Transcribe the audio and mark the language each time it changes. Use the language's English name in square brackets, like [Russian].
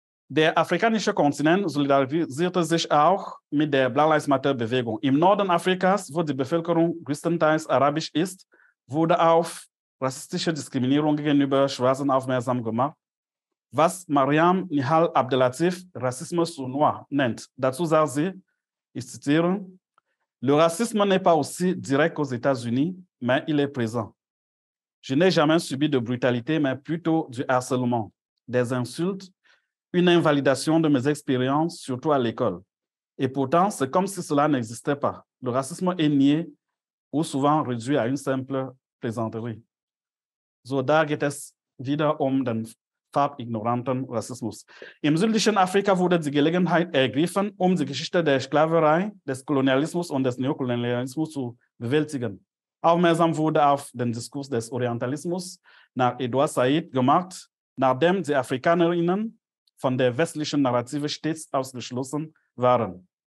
[German] Der afrikanische Kontinent solidarisierte sich auch mit der Black Lives Matter Bevegung. Im Norden Afrikas, wo die Bevölkerung größtenteils arabisch ist, wurde auf rassistische Diskriminierung gegenüber Schwarzen aufmerksam gemacht, was Mariam Nihal Abdelatif Rassismus [French] au Noir [German] nennt. Dazu sagt sie, ich zitiere, [French] le racisme n'est pas aussi direct aux États-Unis, mais il est présent. Je n'ai jamais subi de brutalité, mais plutôt du harcèlement, des insultes, une invalidation de mes expériences, surtout à l'école. Et pourtant, c'est comme si cela n'existait pas. Le racisme est nié ou souvent réduit à une simple plaisanterie. [German] So da geht es wieder um den farbignoranten Rassismus. Im südlichen Afrika wurde die Gelegenheit ergriffen, um die Geschichte der Sklaverei, des Kolonialismus und des Neokolonialismus zu bewältigen. Aufmerksam wurde auf den Diskurs des Orientalismus nach Edouard Said gemacht, nachdem die Afrikanerinnen von der westlichen Narrative stets ausgeschlossen waren.